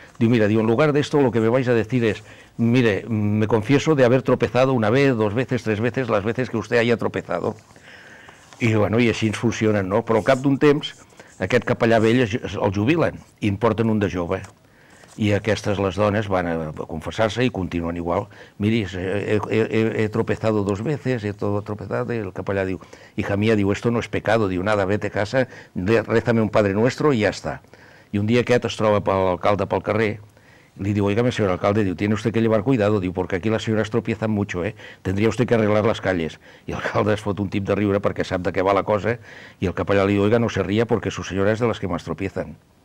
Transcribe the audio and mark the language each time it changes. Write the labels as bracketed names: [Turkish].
[Catalan] Diu, mira, [Spanish] en lugar de esto lo que me vais a decir es, mire, me confieso de haber tropezado una vez, dos veces, tres veces, las veces que usted haya tropezado. [Catalan] I, bueno, i així ens funcionen, no? Però al cap d'un temps, aquest capellà vell el jubilen i en porten un de jove. I aquestes, les dones, van a confessar-se i continuen igual. [Spanish] Miri, he tropezado dos veces, he todo tropezado, [Catalan] i el capellà diu, [Spanish] hija mía, diu, esto no es pecado, diu, nada, vete a casa, rézame un padre nuestro [Catalan] i ja està. I un dia aquest es troba l'alcalde pel carrer, li diu, [Spanish] oiga, señor alcalde, diu, tiene usted que llevar cuidado, diu, porque aquí las señoras tropiezan mucho, eh? Tendría usted que arreglar las calles. [Catalan] I l'alcalde es fot un tip de riure perquè sap de què va la cosa, i el capellà li diu, [Spanish] oiga, no se ría porque su señora es de las que más tropiezan.